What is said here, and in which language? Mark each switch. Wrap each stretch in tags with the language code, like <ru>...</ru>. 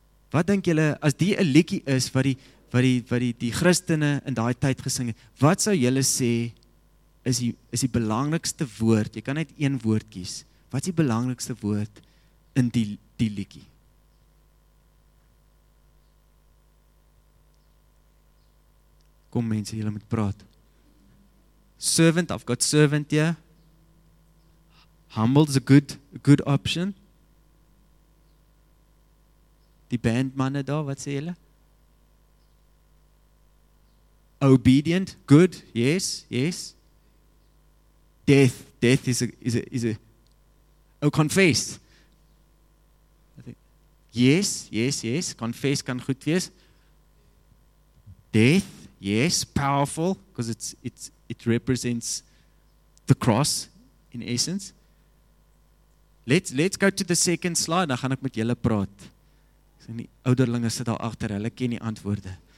<af>Wat dink julle, as die 'n liedjie is wat die Christene in daai tyd gesing het, wat sou julle sê is die belangrikste woord? Jy kan net een woord kies. Wat is die belangrikste woord in die liedjie? Kom mense, julle moet praat.</af> <en>Servant, I've got servant here. Humble is a good option.</en> <af>Die bandmanne daar, wat sê julle?</af> <en>Obedient, good, yes. Death is a oh, confess.</en> <af>Yes, confess kan goed wees.</af> <en>Death, yes, powerful, because it represents the cross in essence. Let's go to the second slide,</en> <af>dan gaan ek met julle praat. En die ouderlinge sit daar agter, hulle ken die antwoorde.</af>